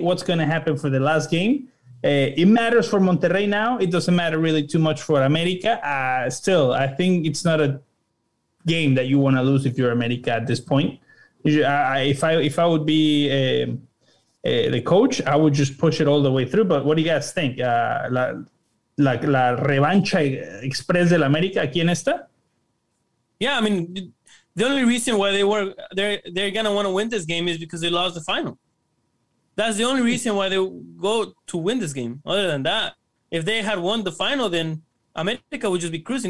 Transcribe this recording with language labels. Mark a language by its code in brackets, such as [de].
[en] What's going to happen for the last game? It matters for Monterrey now. It doesn't matter really too much for America. Still, I think it's not a game that you want to lose if you're America at this point. If I would be the coach, I would just push it all the way through. But what do you guys think? [es] La revancha express del América aquí en esta? [en] Yeah, I mean, the only reason why they're gonna want to win this game is because they lost the final. That's the only reason why they go to win this game. Other than that, if they had won the final, then America would just be cruising.